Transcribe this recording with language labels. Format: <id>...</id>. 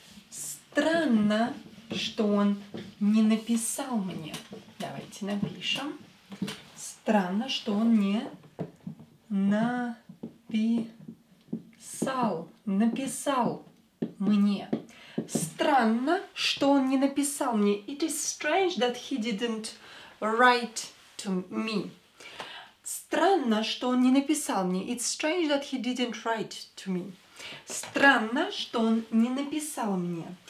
<ru>Странно, что он не написал мне. Давайте напишем. Странно, что он не написал. Написал мне. Странно, что он не написал мне.</ru> <en>It is strange that he didn't write to me.</en> <ru>Странно, что он не написал мне.</ru> <en>It's strange that he didn't write to me.</en> <ru>Странно, что он не написал мне.</ru>